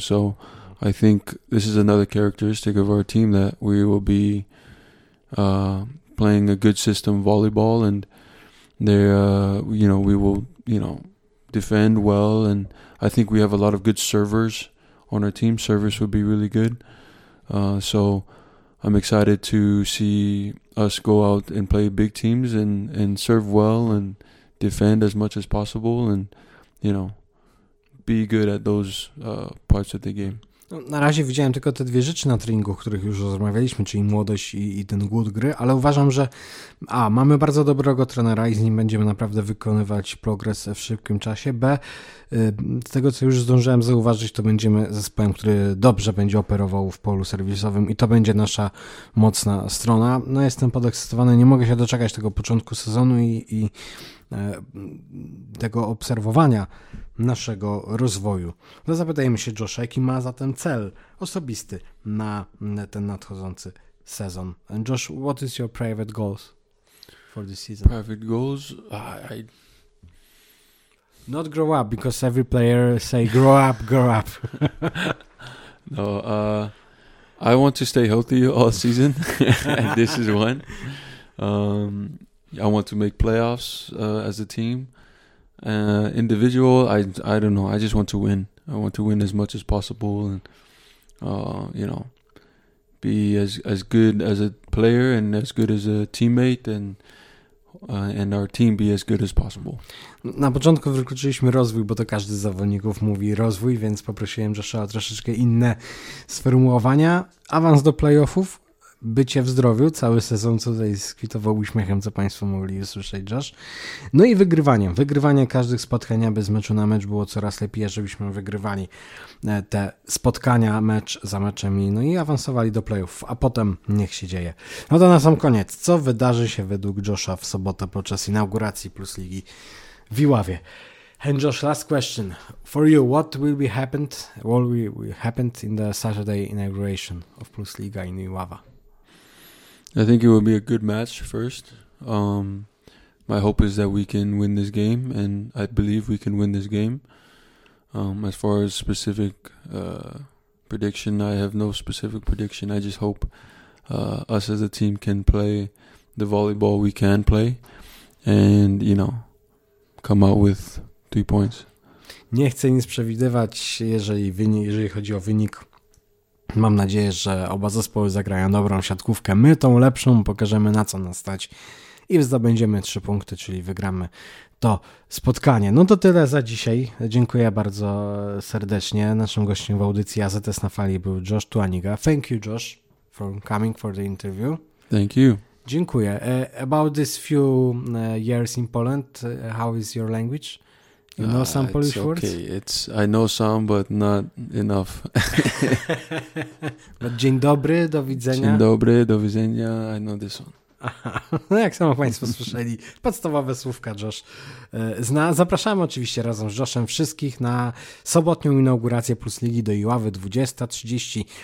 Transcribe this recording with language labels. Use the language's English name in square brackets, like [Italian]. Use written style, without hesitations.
[English] So I think this is another characteristic of our team, that we will be playing a good system volleyball, and we will defend well, and I think we have a lot of good servers on our team. Servers would be really good, so I'm excited to see us go out and play big teams and serve well and defend as much as possible, and be good at those parts of the game. [Polish] No, na razie widziałem tylko te dwie rzeczy na treningu, o których już rozmawialiśmy, czyli młodość i ten głód gry, ale uważam, że mamy bardzo dobrego trenera i z nim będziemy naprawdę wykonywać progres w szybkim czasie. B, z tego co już zdążyłem zauważyć, to będziemy zespołem, który dobrze będzie operował w polu serwisowym i to będzie nasza mocna strona. No, jestem podekscytowany, nie mogę się doczekać tego początku sezonu i tego obserwowania naszego rozwoju. No zapytajmy się Josha, jaki ma zatem cel osobisty na ten nadchodzący sezon. [English] And Josh, what is your private goals for this season? Private goals? I not grow up, because every player say grow up, grow up. No, I want to stay healthy all season. And this is one. I want to make playoffs as a team. Individual, I don't know. I just want to win. I want to win as much as possible, and you know, be as good as a player and as good as a teammate, and our team be as good as possible. [Polish] Na początku wykluczyliśmy rozwój, bo to każdy z zawodników mówi rozwój, więc poprosiłem, że trzeba troszeczkę inne sformułowania. Awans do playoffów. Bycie w zdrowiu, cały sezon tutaj skwitował uśmiechem, co Państwo mogli usłyszeć, Josh. No i wygrywanie. Wygrywanie każdych spotkań, aby z meczu na mecz było coraz lepiej, żebyśmy wygrywali te spotkania mecz za meczem, no i awansowali do playoff, a potem niech się dzieje. No to na sam koniec. Co wydarzy się według Josha w sobotę podczas inauguracji Plus Ligi w Iławie? [English] And Josh, last question for you. What will be happened? What will happen in the Saturday inauguration of Plus Liga in Iława? I think it will be a good match first. My hope is that we can win this game, and I believe we can win this game. As far as specific prediction, I have no specific prediction. I just hope us as a team can play the volleyball we can play and, you know, come out with 3 points. [Polish] Nie chcę nic przewidywać, jeżeli chodzi o wynik. Mam nadzieję, że oba zespoły zagrają dobrą siatkówkę. My tą lepszą pokażemy, na co nas stać, i zdobędziemy 3 punkty, czyli wygramy to spotkanie. No to tyle za dzisiaj. Dziękuję bardzo serdecznie. Naszym gościem w audycji AZS na fali był Josh Tuaniga. [English] Thank you, Josh, for coming for the interview. Thank you. [Polish] Dziękuję. [English] About this few years in Poland, how is your language? You know some Polish it's okay. words? It's I know some, but not enough. But [Polish] dzień dobry, do widzenia. Dzień dobry, do widzenia. [English] I know this one. [Polish] No jak samo Państwo słyszeli, podstawowe słówka Josh zna. Zapraszamy oczywiście razem z Joshem wszystkich na sobotnią inaugurację Plus Ligi do Iławy 20:30.